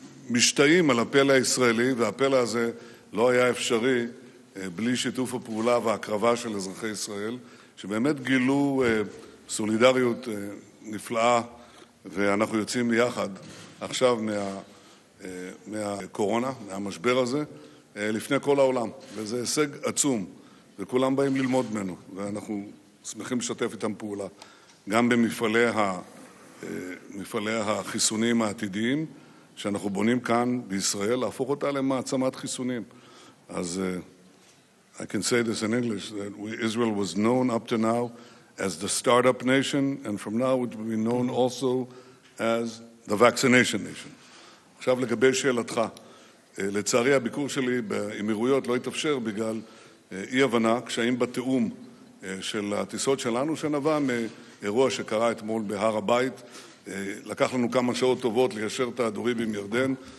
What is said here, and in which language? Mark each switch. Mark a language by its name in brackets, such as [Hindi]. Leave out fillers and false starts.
[Hebrew] משתאים על הפלא הישראלי, והפלא הזה לא היה אפשרי בלי שיתוף הפעולה והקרבה של אזרחי ישראל, שבאמת גילו סולידריות נפלאה, ואנחנו יוצאים יחד עכשיו מהקורונה, מהמשבר הזה, לפני כל העולם. וזה הישג עצום, וכולם באים ללמוד ממנו, ואנחנו שמחים לשתף איתם פעולה, גם במפעלי החיסונים העתידיים, שאנחנו בונים כאן בישראל, להפוך אותה למעצמת חיסונים. [English] אז I can say this in English, that Israel was known up to now as the startup nation, and from now it will be known also as the vaccination nation. [Hebrew] עכשיו לגבי שאלתך, לצערי הביקור שלי באמירויות לא התאפשר בגלל אי-הבנה, קשיים בתיאום של הטיסות שלנו, שנבע מאירוע שקרה אתמול בהר הבית, לקח לנו כמה שעות טובות ליישר את הדורים עם ירדן.